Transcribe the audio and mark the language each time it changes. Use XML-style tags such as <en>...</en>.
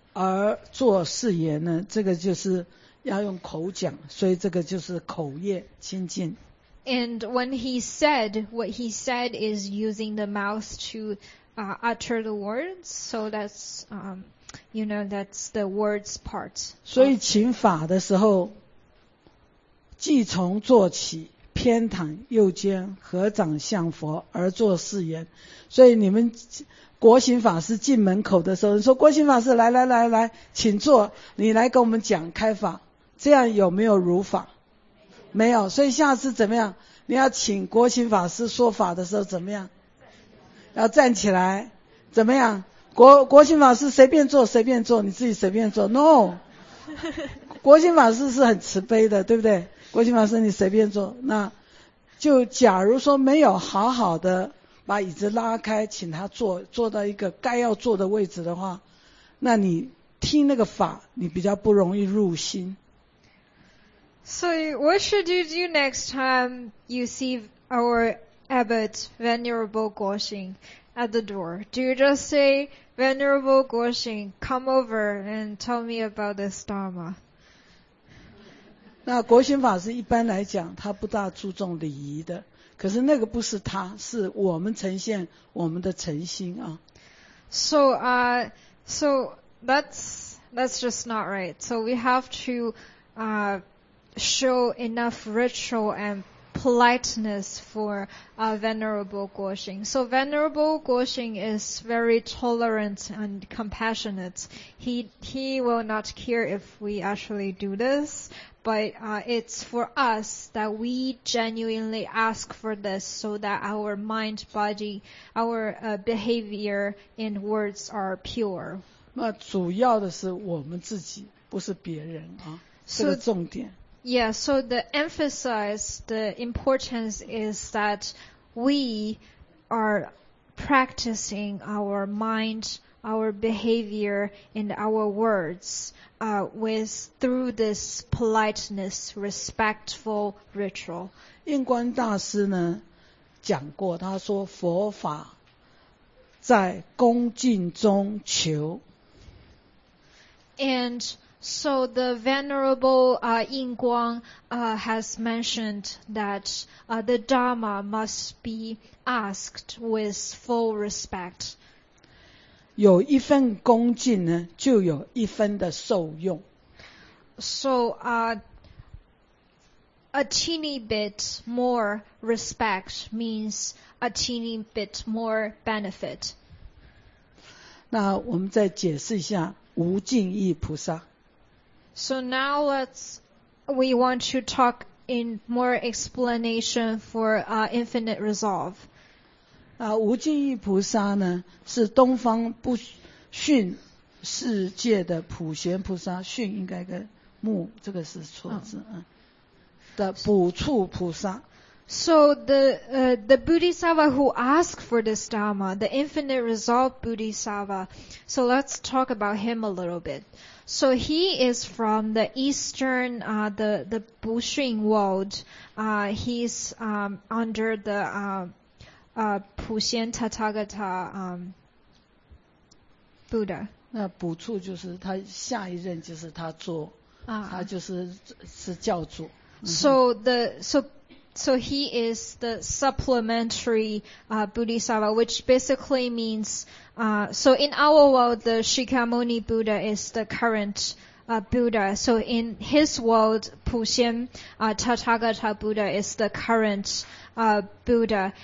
<zh>而做事业呢，这个就是要用口讲，所以这个就是口业清净。</zh> <en>And when he said, what he said is using the mouth to utter the words, so that's, you know, that's the words part.</en> <zh>所以请法的时候，即从坐起，偏袒右肩，合掌向佛而作誓言。所以你们国行法师进门口的时候，你说国行法师来来来来，请坐，你来跟我们讲开法，这样有没有如法？没有，所以下次怎么样？你要请国行法师说法的时候怎么样？要站起来，怎么样？国行法师随便坐，随便坐，你自己随便坐。 No， 国行法师是很慈悲的，对不对？国行法师你随便坐。那就假如说没有好好的把椅子拉开，请他坐，坐到一个该要坐的位置的话，那你听那个法，你比较不容易入心。</zh> <en>So what should you do next time you see our abbot, Venerable Guoxing, at the door? Do you just say, Venerable Guoxing, come over and tell me about this Dharma?</en> <zh>那国行法师一般来讲，他不大注重礼仪的，可是那个不是他，是我们呈现我们的诚心啊。</zh> <en>So, so that's just not right. So we have to, show enough ritual and politeness for Venerable Guoxing. So Venerable Guoxing is very tolerant and compassionate. He will not care if we actually do this, but it's for us that we genuinely ask for this so that our mind, body, our behavior and words are pure.</en> <zh>那主要的是我们自己，不是别人啊，这个重点。</zh> <en>Yeah, so the emphasis, the importance is that we are practicing our mind, our behavior, and our words, with, through this politeness, respectful ritual.</en> <zh>印光大师呢，讲过，他说佛法在恭敬中求。</zh> <en>And,So the Venerable Yin Guang has mentioned that the Dharma must be asked with full respect.</en> <zh>有一份恭敬呢，就有一份的受用。</zh> <en>So a teeny bit more respect means a teeny bit more benefit.</en> <zh>那我们再解释一下无敬意菩萨。</zh> <en>So now we want to talk in more explanation for infinite resolve.</en> <zh>无敬意菩萨呢，是东方不逊世界的普贤菩萨，逊应该跟目，这个是错字，的补处菩萨。</zh> <en>So the Bodhisattva who asked for this Dharma, the infinite resolve Bodhisattva, so let's talk about him a little bit. So he is from the eastern, the Bushing world. He's under the Puxian Tathagata Buddha.</en> <zh>那补处就是他下一任就是他做、他就是教主。</zh> <en>So he is the supplementary Bodhisattva, which basically means, so in our world, the Shikyamuni Buddha is the current Buddha. So in his world, Puxian Tathagata Buddha is the current Buddha.</en>